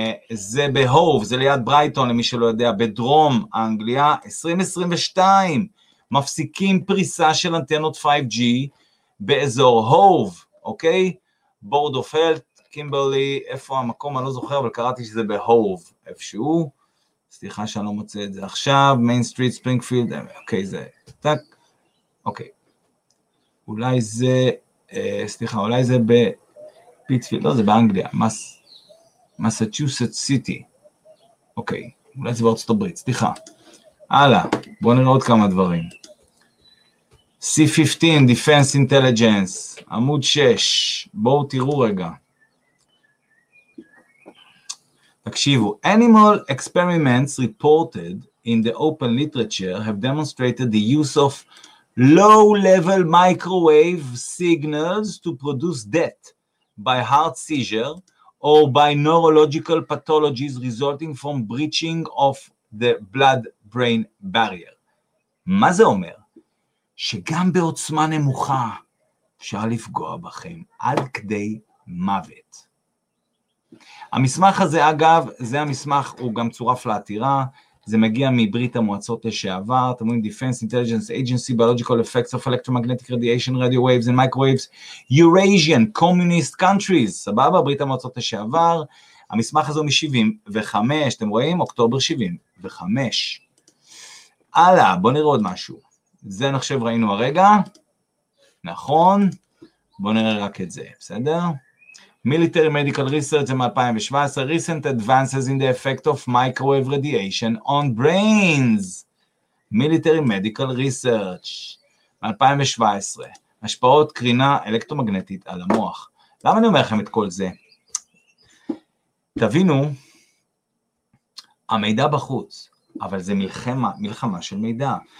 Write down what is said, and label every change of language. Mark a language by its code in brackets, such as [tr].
[he] זה בהוב, זה ליד ברייטון, למי שלא יודע, בדרום אנגליה, 2022, מפסיקים פריסה של אנטנות 5G באזור הוב, אוקיי? בורד אוף הלת, קימברלי, איפה המקום, אני לא זוכר, אבל קראתי שזה בהוב, איפשהו. סליחה שאני לא מוצא את זה עכשיו, Main Street, Springfield, אוקיי, זה, טק, אוקיי, אולי זה, סליחה, אולי זה בפיטפילד, לא, זה באנגליה, Massachusetts City, אוקיי, אולי זה בארצות הברית, סליחה, הלאה, בואו נראה עוד כמה דברים, C-15, Defense Intelligence, עמוד 6, בואו תראו רגע, [en] תקשיבו, animal experiments reported in the open literature have demonstrated the use of low-level microwave signals to produce death by heart seizure or by neurological pathologies resulting from breaching of the blood-brain barrier. [he] מה זה אומר? שגם בעוצמה נמוכה אפשר לפגוע בכם עד כדי מוות. המסמך הזה, אגב, זה המסמך, הוא גם צורף לעתירה, זה מגיע מברית המועצות לשעבר, אתם רואים, Defense Intelligence Agency, Biological Effects of Electromagnetic Radiation, Radio Waves and Microwaves, Eurasian Communist Countries, סבבה, ברית המועצות לשעבר, המסמך הזה הוא מ-75, אתם רואים? אוקטובר 75. הלאה, בוא נראה עוד משהו. זה נחשב ראינו הרגע, נכון? בוא נראה רק את זה, בסדר? [en] Military Medical Research [he] מ-2017, [en] Recent Advances in the Effect of Microwave Radiation on Brains. [he] Military Medical Research מ-2017, השפעות קרינה אלקטרומגנטית על המוח. למה אני אומר לכם את כל זה? תבינו, המידע בחוץ, אבל זה מלחמה, מלחמה של מידע.